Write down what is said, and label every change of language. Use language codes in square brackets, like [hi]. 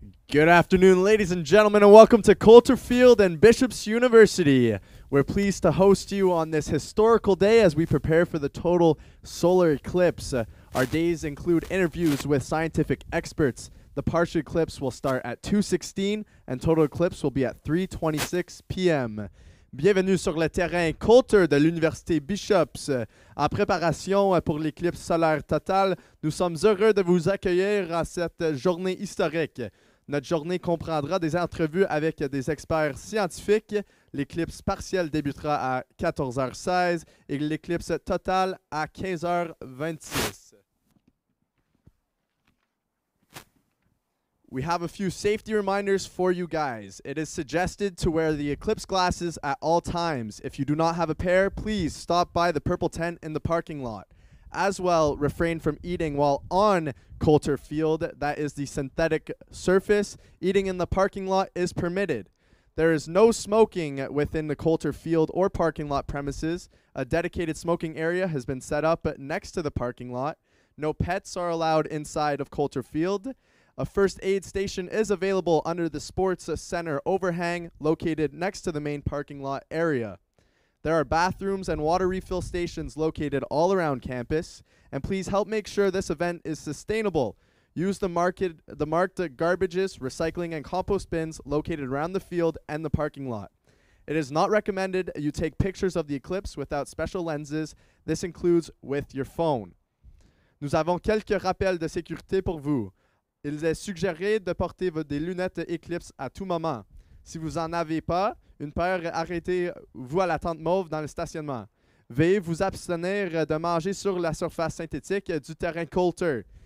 [en] Good afternoon, ladies and gentlemen, and welcome to Coulter Field and Bishop's University. We're pleased to host you on this historical day as we prepare for the total solar eclipse. Our days include interviews with scientific experts. The partial eclipse will start at 2:16, and total eclipse will be at 3:26 p.m. [fr] Bienvenue sur le terrain Coulter de l'Université Bishop's. En préparation pour l'éclipse solaire totale, nous sommes heureux de vous accueillir à cette journée historique. Notre journée comprendra des entrevues avec des experts scientifiques. L'éclipse partielle débutera à 14h16 et l'éclipse totale à 15h26. [en] We have a few safety reminders for you guys. It is suggested to wear the eclipse glasses at all times. If you do not have a pair, please stop by the purple tent in the parking lot. As well, refrain from eating while on Coulter Field, that is the synthetic surface. Eating in the parking lot is permitted. There is no smoking within the Coulter Field or parking lot premises. A dedicated smoking area has been set up next to the parking lot. No pets are allowed inside of Coulter Field. A first aid station is available under the Sports Center overhang located next to the main parking lot area. There are bathrooms and water refill stations located all around campus, and please help make sure this event is sustainable. Use the marked garbages, recycling, and compost bins located around the field and the parking lot. It is not recommended you take pictures of the eclipse without special lenses. This includes with your phone. [fr] Nous avons quelques rappels de sécurité pour vous. Il est suggéré de porter des lunettes Eclipse à tout moment. Si vous en avez pas, une paire, arrêtez-vous à la tente mauve dans le stationnement. Veuillez vous abstenir de manger sur la surface synthétique du terrain Coulter.